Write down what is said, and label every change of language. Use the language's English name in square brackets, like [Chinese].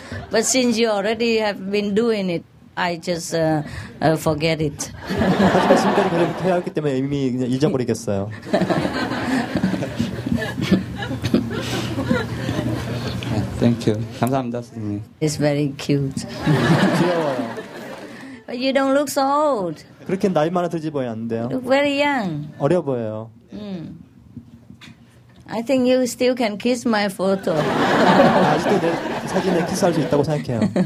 [English] But since you already have been doing it, I just forget it. [Korean] 하지만 지금까지 그렇게 해왔기 때문에 이미 그냥 잊어버리겠어요. [English] Thank you. [Korean] 감사합니다, 선생님. [English] It's very cute. [Korean] 귀여워요. [English] But you don't look so old. [Korean] 그렇게 나이 많아 들지 보여 안 돼요. [English] Look very young. [Korean] 어려 보여요. [English] I think you still can kiss my photo. [Korean] 아직도 내 사진에 키스할 수 있다고 생각해요.